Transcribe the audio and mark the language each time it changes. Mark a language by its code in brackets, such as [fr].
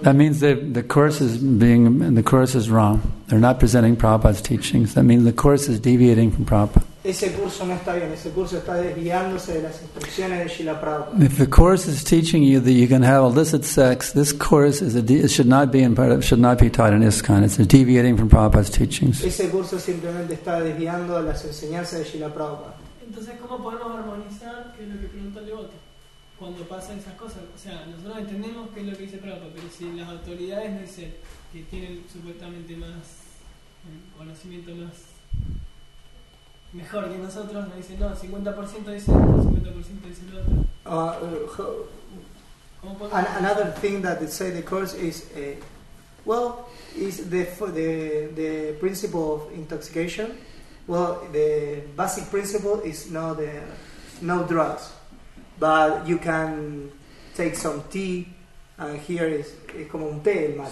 [en] That means the course is wrong. They're not presenting Prabhupada's teachings. That means the course is deviating from Prabhupada. [es] ese curso no está bien, ese curso está desviándose de las instrucciones de Srila Prabhupada. [en] If the course is teaching you that you can have illicit sex, this course is should not be taught in ISKCON. It's deviating from Prabhupada's teachings. [es] Ese curso simplemente está desviando de las enseñanzas de Srila Prabhupada. Entonces, ¿cómo podemos armonizar qué es lo que pregunta el devoto cuando pasan esas cosas? O sea, nosotros entendemos qué es lo que dice Prabhupada, pero si las autoridades dicen que tienen supuestamente más conocimiento, más mejor que nosotros, nos dicen, no, 50% dice esto, 50% dice lo otro. [en] Another thing that they say the course is, is the principle of intoxication. Well, the basic principle is no drugs, but you can take some tea, and here is [es] como un té, el mate.